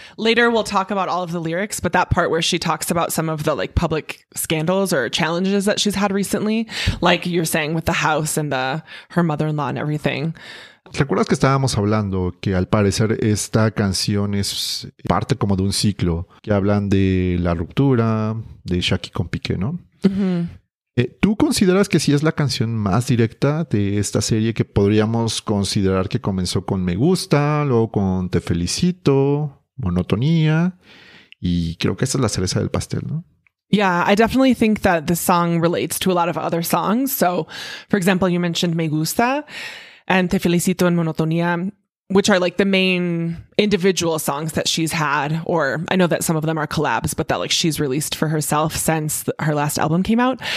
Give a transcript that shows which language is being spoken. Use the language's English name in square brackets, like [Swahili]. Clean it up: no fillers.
[English] Later we'll talk about all of the lyrics, but that part where she talks about some of the like public scandals or challenges that she's had recently, like you're saying with the house and the her mother-in-law and everything. [Spanish] ¿Recuerdas que estábamos hablando que al parecer esta canción es parte como de un ciclo que hablan de la ruptura de Shaki con Piqué, ¿no? Mm-hmm. ¿Tú consideras que sí es la canción más directa de esta serie que podríamos considerar que comenzó con Me Gusta, luego con Te Felicito, Monotonía, y creo que esta es la cereza del pastel, ¿no? [English] Yeah, I definitely think that the song relates to a lot of other songs. So, for example, you mentioned Me Gusta and Te Felicito and Monotonía, which are like the main individual songs that she's had, or I know that some of them are collabs, but that like she's released for herself since her last album came out.